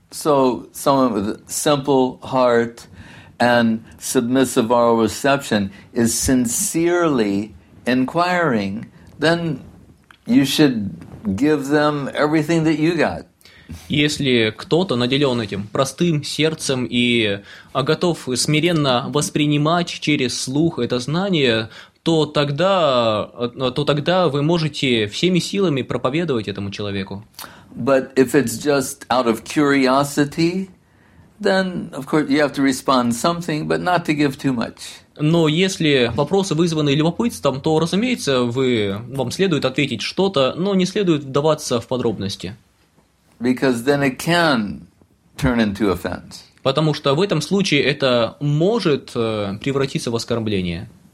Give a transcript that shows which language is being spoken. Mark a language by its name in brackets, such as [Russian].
[English] So, someone with a simple heart and submissive oral reception is sincerely inquiring, then you should give them everything that you got. [Russian] Если кто-то наделен этим простым сердцем и готов смиренно воспринимать через слух это знание, то тогда вы можете всеми силами проповедовать этому человеку. [English] But if it's just out of curiosity, then, of course, you have to respond something, but not to give too much. [Russian] Но если вопросы вызваны любопытством, то, разумеется, вам следует ответить что-то, но не следует вдаваться в подробности. [English] Because then it can turn into offense. [Russian] Потому что в этом случае это может превратиться в оскорбление.